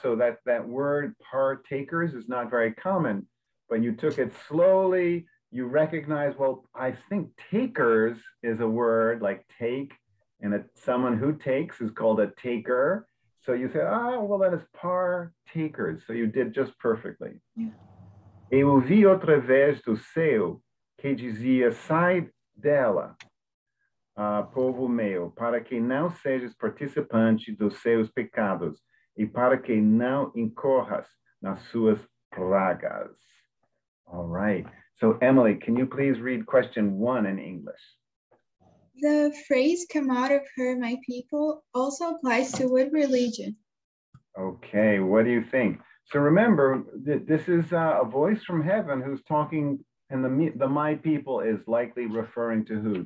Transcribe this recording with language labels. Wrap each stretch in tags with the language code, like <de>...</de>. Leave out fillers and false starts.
<en>So that word partakers is not very common, but you took it slowly. You recognize, well, I think takers is a word like take, and someone who takes is called a taker. So you say, well, that is partakers. So you did just perfectly.</en> <pt>E eu vi outra vez do céu que dizia, sai dela, povo meu, para que não sejas participante dos seus pecados e para que não incorras nas suas pragas.</pt> <en>All right. So Emily, can you please read question one in English? The phrase, "come out of her, my people," also applies to what religion? Okay, what do you think? So remember, this is a voice from heaven who's talking, and the my people is likely referring to who?</en>